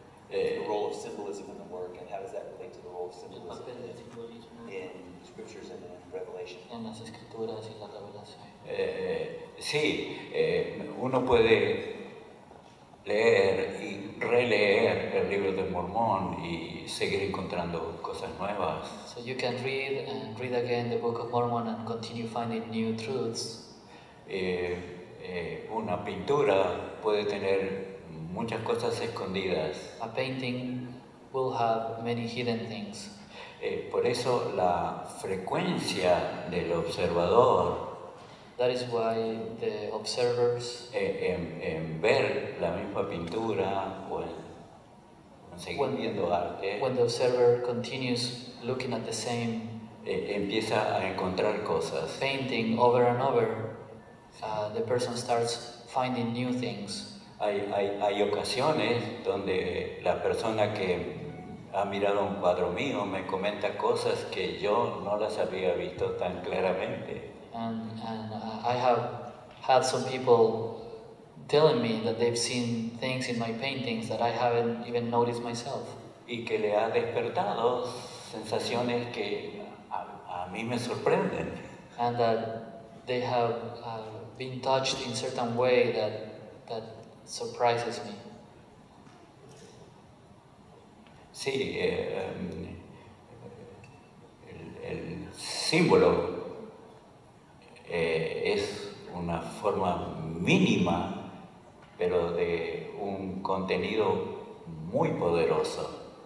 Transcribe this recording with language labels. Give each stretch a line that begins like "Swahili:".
English: The role of symbolism in the work, and how does that relate to the role of symbolism in scriptures and in revelation?
Spanish: En las escrituras y la revelación. Uno puede leer y releer el libro de Mormón y seguir encontrando cosas nuevas.
English: So you can read and read again the Book of Mormon and continue finding new truths.
Spanish: Una pintura puede tener muchas cosas escondidas.
English: A painting will have many hidden things.
Spanish: Por eso la frecuencia del observador.
English: That is why the observers.
Spanish: En ver la misma pintura o en seguir viendo arte.
English: When the observer continues looking at the same.
Spanish: Empieza a encontrar cosas.
English: Painting over and over. The person starts finding new things.
Spanish: Hay ocasiones donde la persona que ha mirado un cuadro mío me comenta cosas que yo no las había visto tan claramente.
English: And I have had some people telling me that they've seen things in my paintings that I haven't even noticed myself.
Spanish: Y que le ha despertado sensaciones que a mí me sorprenden.
English: And that they have been touched in certain way that surprises me.
Spanish: Sí, el símbolo es una forma mínima, pero de un contenido muy poderoso.